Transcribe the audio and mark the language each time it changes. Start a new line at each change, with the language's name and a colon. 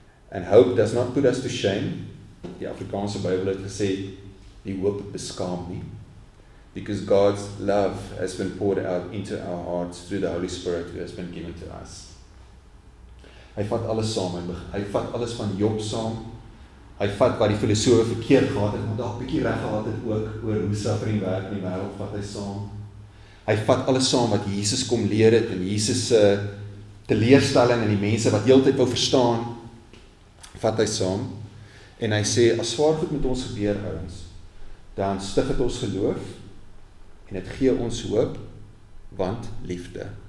English: "And hope does not put us to shame."
Afrikaans: Die Afrikaanse Bybel het gesê, die hoop beskaam nie.
English: "Because God's love has been poured out into our hearts through the Holy Spirit who has been given to us."
Afrikaans: Hy vat alles saam, hy vat alles van Job saam, hy vat wat die filosofe verkeerd gehad het, maar daar 'n bietjie reg gehad het ook, oor hoe suffering werk in die wêreld, vat hy saam. Hy vat alles saam wat Jesus kom leer het, en Jesus se teleurstelling, en die mense wat heeltyd wou verstaan, vat hy saam, en hy sê, as swaar goed met ons gebeur, ouens, dan stig het ons geloof, en het gee ons hoop, want liefde.